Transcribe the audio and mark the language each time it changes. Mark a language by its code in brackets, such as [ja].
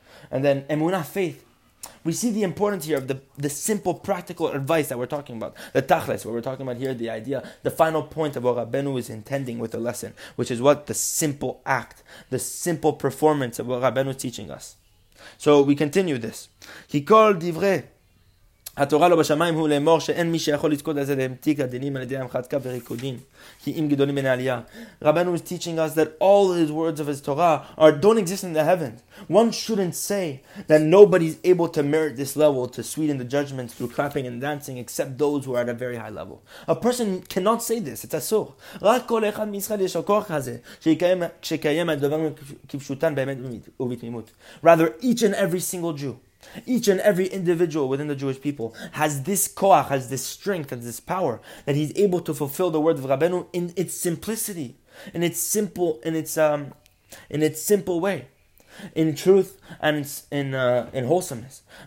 [en] And then emunah, faith. We see the importance here of the simple practical advice that we're talking about. The tachlis, what we're talking about here, the idea, the final point of what Rabbeinu is intending with the lesson, which is what the simple act, the simple performance of what Rabbeinu is teaching us. So we continue this. He called divrei [he] התורה לא בשמיים הוא לאמור שאין מי שיכול לזכות לזה להמתיק הדינים על ידי המחתקה וריקודים כי אם גדולים בני עלייה. [en] Rabbeinu is teaching us that all his words of his Torah don't exist in the heavens. One shouldn't say that nobody's able to merit this level to sweeten the judgments through clapping and dancing except those who are at a very high level. A person cannot say this. It's אסור. [he] רק כל אחד מישראל יש הכוח הזה שקיים את דבר כפשוטן באמת ובתמימות. [en] Rather, each and every single Jew, each and every individual within the Jewish people has this koach, has this strength, has this power that he's able to fulfill the words of Rabbeinu in its simplicity, in its simple way, in truth and in wholesomeness.